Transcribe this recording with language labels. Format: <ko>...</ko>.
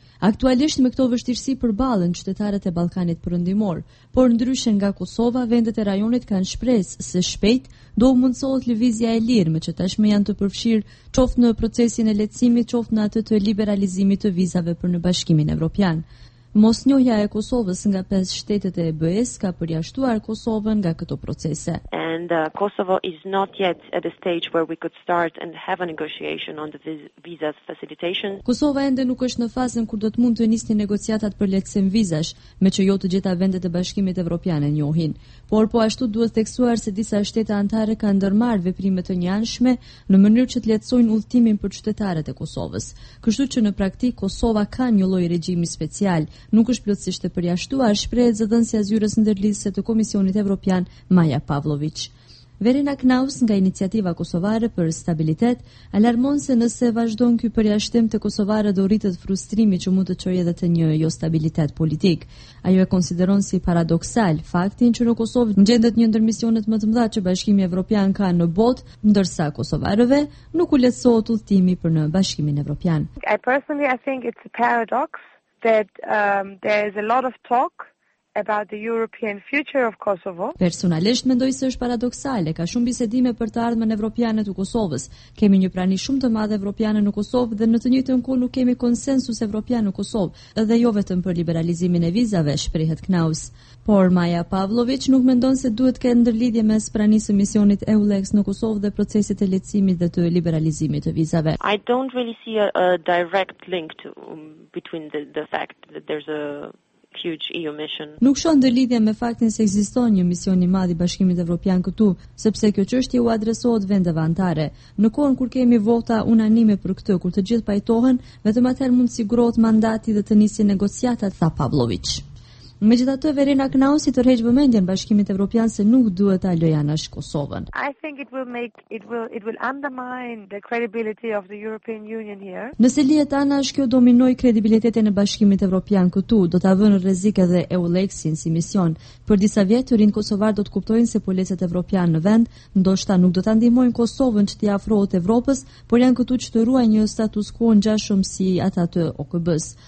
<sq>Aktualisht me këto vështirësi përballen qytetarët e Ballkanit Perëndimor, por ndryshe nga Kosova, vendet e rajonit kanë shpresë se shpejt do u mundësohet lëvizja e lirë, me që tashmë janë të përfshirë qoftë në procesin e lehtësimit, qoftë në atë të liberalizimit të vizave për në Bashkimin Evropian. Mosnjohja e Kosovës nga 5 shtetet e BE-s ka përjashtuar Kosovën nga këto procese.</sq> <en>Kosovo is not yet at a stage where we could start and have a negotiation on the visa facilitation.</en> <sq>Kosova ende nuk është në fazën kur do të mund të nisni negociatat për lehtësim vizash, me që jo të gjitha vendet e Bashkimit Evropian e njohin. Por po ashtu duhet theksuar se disa shtete anëtare kanë ndërmarrë veprime të njëanshme në mënyrë që të lehtësojnë udhtimin për qytetarët e Kosovës. Kështu që në praktik Kosova ka një lloj regjimi special, nuk është plotësisht e përjashtuar, shprehet zëdhënësja zyrës ndërlidhëse të Komisionit Evropian Maja Pavlovic. Verena Knaus nga Iniciativa Kosovare për Stabilitet alarmon se nëse vazhdon ky përjashtim të kosovarëve do rritet frustrimi që mund të çojë edhe te një jo stabilitet politik. Ajo e konsideron si paradoksal faktin që në Kosovë ngjendet një ndër misionet më të mëdha që Bashkimi Evropian ka në botë, ndërsa kosovarëve nuk u lehtësohet udhtimi për në Bashkimin Evropian.</sq> <en>I personally I think it's a paradox that there is a lot of talk about the European future of Kosovo.</en> <sq>Personalisht mendoj se është paradoksale, ka shumë bisedime për të ardhmen evropiane të Kosovës. Kemi një prani shumë të madhe evropiane në Kosovë dhe në të njëjtën kohë nuk kemi konsensus evropian në Kosovë, edhe jo vetëm për liberalizimin e vizave, shprehet Knaus. Por Maja Pavlovic nuk mendon se duhet të ketë ndërlidhje mes pranisë së misionit EULEX në Kosovë dhe procesit të lehtësimit dhe të liberalizimit të vizave.</sq> <en>I don't really see a direct link to, between the fact that there's a huge EU mission.</en> <sq>Nuk shoh ndërlidhje me faktin se ekziston një mision i madh i Bashkimit Evropian këtu, sepse kjo çështje u adresohet vendeve anëtare. Në kohën kur kemi vota unanime për këtë, kur të gjithë pajtohen, vetëm atëherë mund sigurohet mandati dhe të nisin negociatat, tha Pavlovic. Megjithatë, Verena Knausi tërheq vëmendjen Bashkimit Evropian se nuk duhet ta lëjë anash Kosovën.</sq> <en>I think it will undermine the credibility of the European Union here.</en> <sq>Nëse lihet anash, kjo dominoj kredibilitetin e Bashkimit Evropian këtu, do ta vënë në rrezik edhe EULEX-in si mision. Për disa vjet të rinë kosovar do të kuptojnë se policet evropian në vend ndoshta nuk do ta ndihmojnë Kosovën që të afrohet Evropës, por janë këtu që të ruajnë një status quo ngjashëm si ata të OKB-s.</sq>